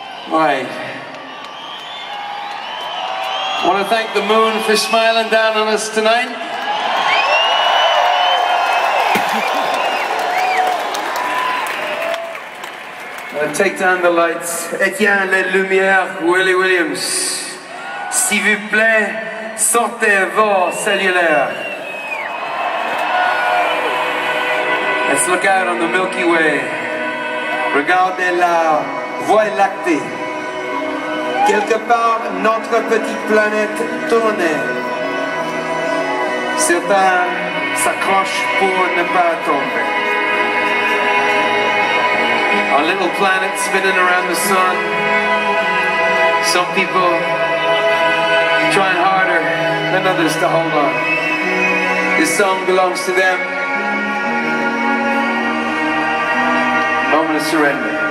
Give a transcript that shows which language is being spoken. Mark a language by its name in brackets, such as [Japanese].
[English] Right. I want to thank the moon for smiling down on us tonight. I'm going to take down the lights. [French] Etienne, les lumières, Willie Williams. S'il vous plaît, sortez vos cellulaires. [English] Let's look out on the Milky Way. [French] Regardez la Voie Lactée. Quelque part, notre petite planète tourne. Certains s'accrochent pour ne pas tomber. [English] Our little planet spinning around the sun. Some people trying harder than others to hold on. This song belongs to them. Moment of surrender.